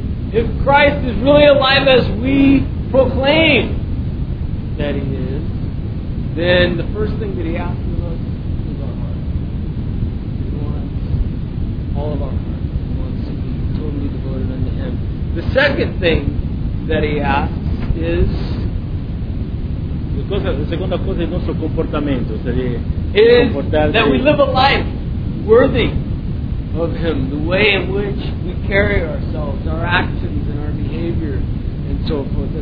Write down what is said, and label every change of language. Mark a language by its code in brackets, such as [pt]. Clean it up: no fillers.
[en] If Christ is really alive as we proclaim that he is, then the first thing that he asks of us is our heart. He wants all of our heart. He wants to be totally devoted unto him. The second thing that he asks is [it] la seconda cosa è il nostro comportamento, cioè [en] that we live a life worthy of him, the way in which we carry ourselves, our actions and our behavior and so forth.